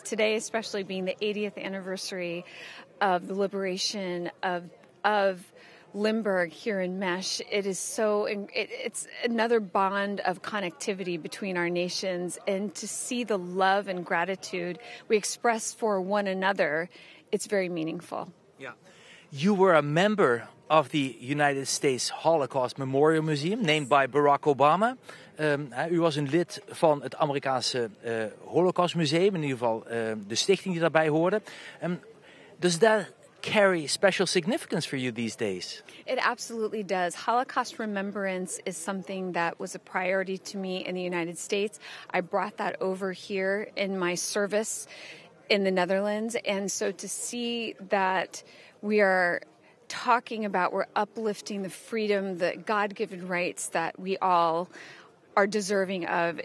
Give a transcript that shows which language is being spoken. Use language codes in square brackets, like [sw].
[en] Today, especially being the 80th anniversary of the liberation of Limburg here in Mesh, it is so, it's another bond of connectivity between our nations, and to see the love and gratitude we express for one another, it's very meaningful. Yeah. You were a member of the United States Holocaust Memorial Museum, named by Barack Obama. [nl] U was een lid van het Amerikaanse Holocaust Museum, in ieder geval de stichting die daarbij hoorde. [en] Does that carry special significance for you these days? It absolutely does. Holocaust remembrance is something that was a priority to me in the United States. I brought that over here in my service in the Netherlands. And so to see that we are talking about, we're uplifting the freedom, the God-given rights that we all are deserving of.